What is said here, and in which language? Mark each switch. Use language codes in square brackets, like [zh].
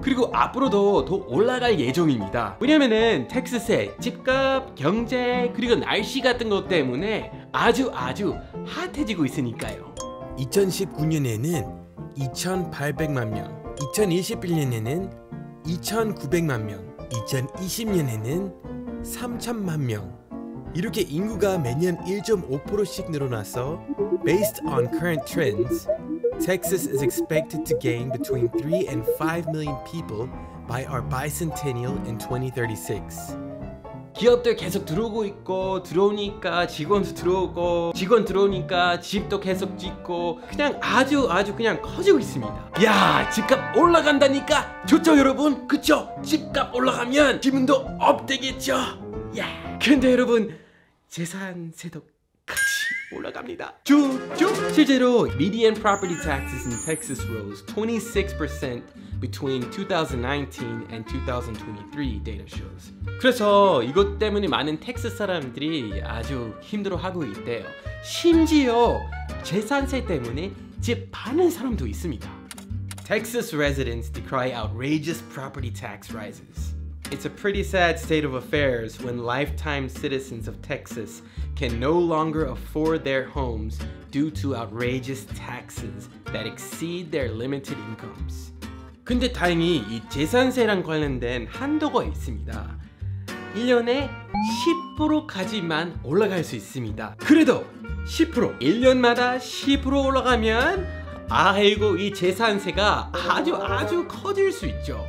[ko] 그리고 앞으로도 더 올라갈 예정입니다. 왜냐면은 텍사스의 집값, 경제, 그리고 날씨 같은 것 때문에 아주 아주 핫해지고 있으니까요. 2019년에는 2,800만 명, 2021년에는 2,900만 명, 2020년에는 3,000만 명. 이렇게 인구가 매년 1.5%씩 늘어나서 [en] Based on current trends, Texas is expected to gain between 3 and 5 million people by our bicentennial in 2036. [ko] 기업들 계속 들어오고 있고 들어오니까 직원도 들어오고 직원 들어오니까 집도 계속 짓고 그냥 아주 아주 그냥 커지고 있습니다. 야, 집값 올라간다니까 좋죠 여러분? 그쵸? 집값 올라가면 기분도 업되겠죠? 야, 근데 여러분 재산세도 같이 올라갑니다. 쭈쭈. 실제로 [en] median property taxes in Texas rose 26% between 2019 and 2023 data shows. [ko] 그래서 이것 때문에 많은 텍사스 사람들이 아주 힘들어하고 있대요. 심지어 재산세 때문에 집 파는 사람도 있습니다. [en] Texas residents decry outrageous property tax rises. It's a pretty sad state of affairs when lifetime citizens of Texas can no longer afford their homes due to outrageous taxes that exceed their limited incomes. [ko] 근데 다행히 이 재산세랑 관련된 한도가 있습니다. 1년에 10%까지만 올라갈 수 있습니다. 그래도 10%, 1년마다 10% 올라가면 아이고 이 재산세가 아주 아주 커질 수 있죠.